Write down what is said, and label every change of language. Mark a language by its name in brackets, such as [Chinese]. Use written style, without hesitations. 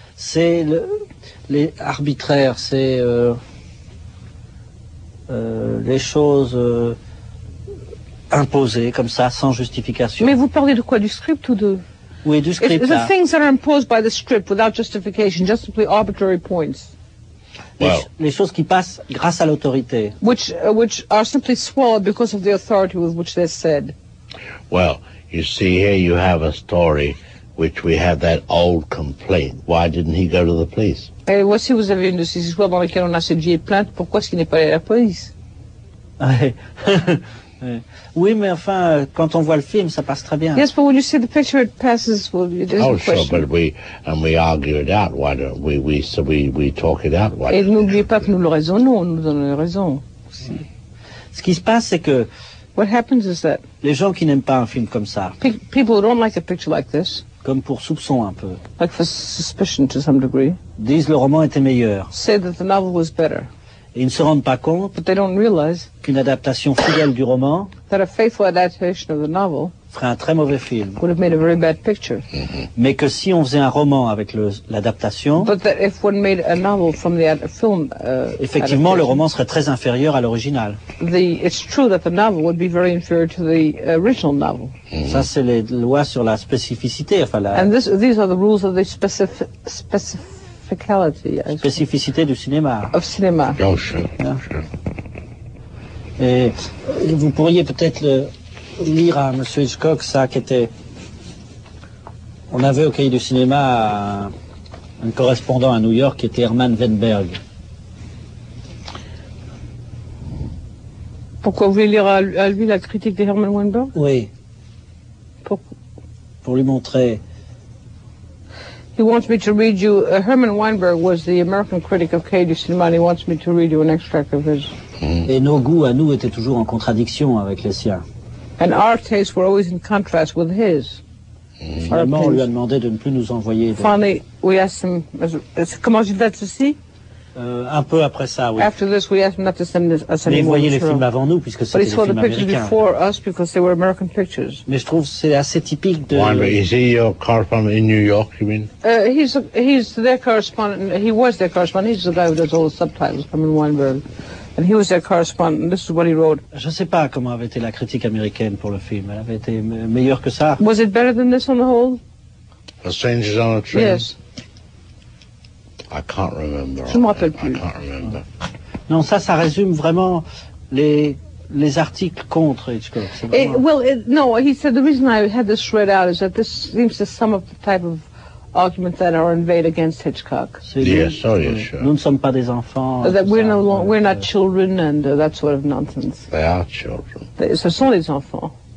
[French] C'est les arbitraires, c'est les choses imposées comme ça, sans justification. Mais vous parlez de quoi, du script ou de? Oui, du script. [English] It's the things that are imposed by the script without justification, just simply arbitrary points. [French] Well, les choses qui passent grâce à l'autorité. [English] Which are simply swallowed because of the authority with which they're said. Well, you see, here you have a story which we have that old complaint. Why didn't he go to the police? [French] Et voici, vous avez une de ces histoires dans lesquelles on a cette vieille plainte. Pourquoi est-ce qu'il n'est pas allé à la police? Ouais. Oui, mais enfin, quand on voit le film, ça passe très bien. [English] Yes, but when you see the picture, it passes. Well, oh, sure, but we argue it out. Why don't we talk it out? Why? [French] Et n'oubliez pas que nous le raisonnons, nous donnons les raisons. Si. Ce qui se passe, c'est que. [English] What happens is that. [French] Les gens qui n'aiment pas un film comme ça. [English] People who don't like a picture like this. [French] Comme pour soupçon un peu. [English] Like for suspicion to some degree. [French] Disent le roman était meilleur. [English] Say that the novel was better. [French] Et ils ne se rendent pas compte. [English] But they don't realize. [French] Qu'une adaptation fidèle du roman. [English] That a faithful adaptation of the novel. [French] Ferait un très mauvais film. [English] Would have made a very bad picture. [French] Mais que si on faisait un roman avec l'adaptation. [English] But that if one made a novel from the film. [French] Effectivement, le roman serait très inférieur à l'original. [English] It's true that the novel would be very inferior to the original novel. [French] Ça, c'est les lois sur la spécificité, enfin la. [English] And these are the rules of the specificity. [French] Spécificité du cinéma. [English] Of cinema. Oh, sure. Yeah. Sure. [French] Et vous pourriez peut-être le. Lire à M. Hitchcock, ça qui était. On avait au Cahier du Cinéma un correspondant à New York qui était Herman Weinberg. Pourquoi vous voulez lire à lui la critique de Herman Weinberg? Oui. Pourquoi? Pour lui montrer. [English] He wants me to read you. Herman Weinberg was the American critic of Cahier du Cinéma, and he wants me to read you an extract of his. [French] Et nos goûts à nous étaient toujours en contradiction avec les siens. [English] And our tastes were always in contrast with his. [French] Finalement, on lui a demandé de ne plus nous envoyer. [English] Finally, we asked him. [French] Comment j'ai fait ceci? Un peu après ça, oui. [English] After this, we asked him not to send us anymore. [French] Mais il voyait les films avant nous, puisque c'était des films américains. [English] But he saw the pictures before us because they were American pictures. [French] Mais je trouve c'est assez typique de. [English] Why is he your correspondent in New York? You mean? He's their correspondent. He was their correspondent. He's the guy who does all the subtitles. I mean Weinberg. And he was their correspondent. This is what he wrote. [French] Je ne sais pas comment avait été la critique américaine pour le film. Elle avait été meilleure que ça. [English] Was it better than this on the whole? A Strangers on a Train. Yes. I can't remember. [French] Je ne me rappelle plus. [English] I can't remember. [French] Non, ça résume vraiment les articles contre Hitchcock. C'est vraiment. [English] No. He said the reason I had this read out is that this seems to sum up the type of. Arguments that are inveyed against Hitchcock. Yes, sure. [French] Nous ne sommes pas des enfants. [English] We're not children and that sort of nonsense. They are children. [French] Ce sont des enfants.